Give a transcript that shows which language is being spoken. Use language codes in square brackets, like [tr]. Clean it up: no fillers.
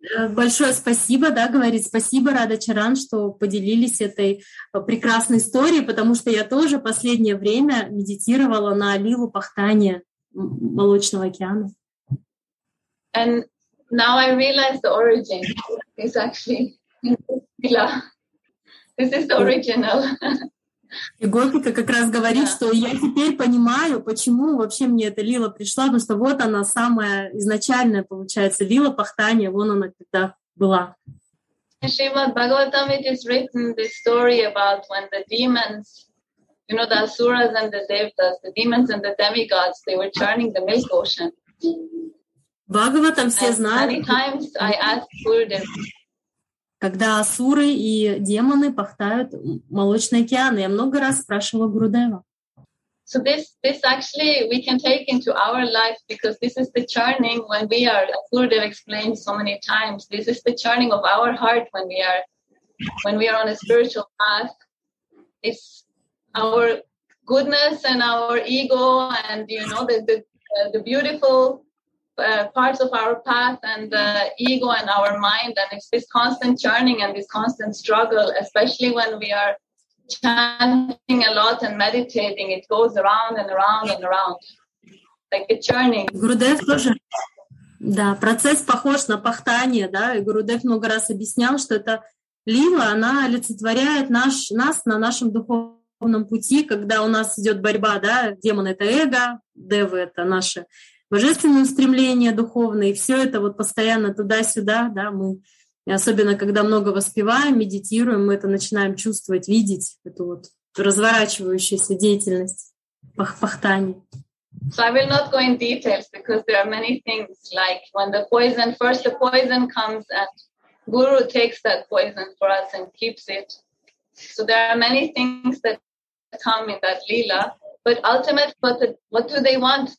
[ru] Большое спасибо, да, говорит, спасибо, Рада Чаран, что поделились этой прекрасной историей, потому что я тоже последнее время медитировала на лилу пахтания молочного океана. [en] And now I realize the origin is actually lila. This is the original. [ru] И Гопика как раз говорит, [en] yeah, [ru] что я теперь понимаю, почему вообще мне эта лила пришла, потому что вот она самая изначальная, получается, лила пахтания, вон она когда была. [en] In Shrimad Bhagavatam it is written this story about when the demons, you know, the asuras and the devtas, the demons and the demigods, they were churning the milk ocean. [ru] Бхагаватам все знают. [en] Many times I asked Gurudev, [ru] когда асуры и демоны пахтают молочные океаны. Я много раз спрашивала Гурудева. [en] So this actually we can take into our life because this is the churning when we are, as Gurudev explained so many times, this is the churning of our heart when we are on a spiritual path. It's our goodness and our ego and, you know, the beautiful parts of our path and the ego and our mind. And it's this constant churning and this constant struggle, especially when we are chanting a lot and meditating, it goes around and around and around, like a churning. [ru] Gurudev тоже, да, процесс похож на пахтание, да, и Gurudev много раз объяснял, что это лила, она олицетворяет нас на нашем духовном пути, когда у нас идет борьба, да, демон — это эго, девы — это наши божественные устремления духовные, все это вот постоянно туда-сюда, да, мы... И особенно, когда много воспеваем, медитируем, мы это начинаем чувствовать, видеть, эту вот разворачивающуюся деятельность, пахтание. [en] So I will not go in details, because there are many things, like when the poison, first the poison comes and Guru takes that poison for us and keeps it. So there are many things that come in that lila, but ultimately, what do they want?